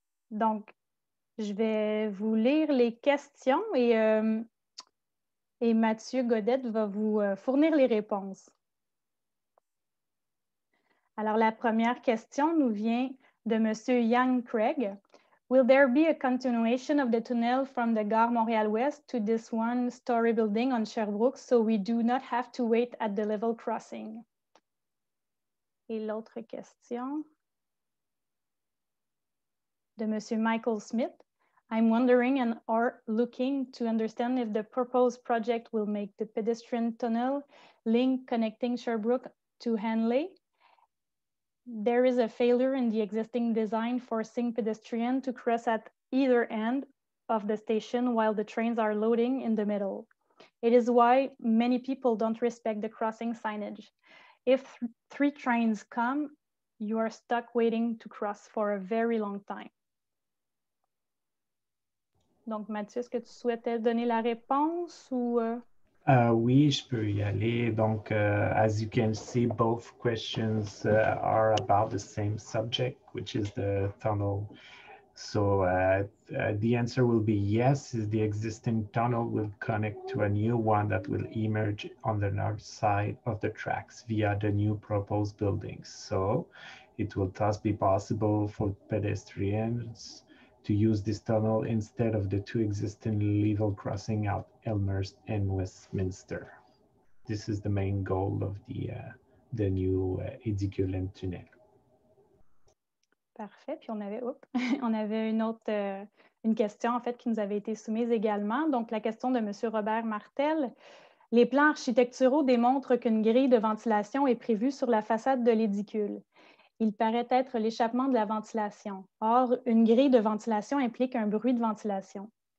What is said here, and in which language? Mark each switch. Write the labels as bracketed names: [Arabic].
[French] Donc, je vais vous lire les questions et Mathieu Godette va vous fournir les réponses. Alors, la première question nous vient de M. Yang Craig. [English] Will there be a continuation of the tunnel from the Gare Montréal-Ouest to this one-story building on Sherbrooke so we do not have to wait at the level crossing? [French] Et l'autre question de M. Michael Smith. [English] I'm wondering and are looking to understand if the proposed project will make the pedestrian tunnel link connecting Sherbrooke to Henley. There is a failure in the existing design forcing pedestrians to cross at either end of the station while the trains are loading in the middle. It is why many people don't respect the crossing signage. If three trains come, you are stuck waiting to cross for a very long time. [French] Donc, Mathieu, est-ce que tu souhaitais donner la réponse ou... Oui, je peux y aller. [English] Donc, as you can see, both questions are about the same subject, which is the tunnel. So the answer will be yes, is the existing tunnel will connect to a new one that will emerge on the north side of the tracks via the new proposed buildings. So it will thus be possible for pedestrians to use this tunnel instead of the two existing level crossing at Elmhurst and Westminster. This is the main goal of the new Edicule tunnel. [French] Parfait. Puis on avait une autre une question en fait qui nous avait été soumise également. Donc la question de Monsieur Robert Martel. Les plans architecturaux démontrent qu'une grille de ventilation est prévue sur la façade de l'édicule. Il paraît être l'échappement de la ventilation. Or, une grille de ventilation implique un bruit de ventilation.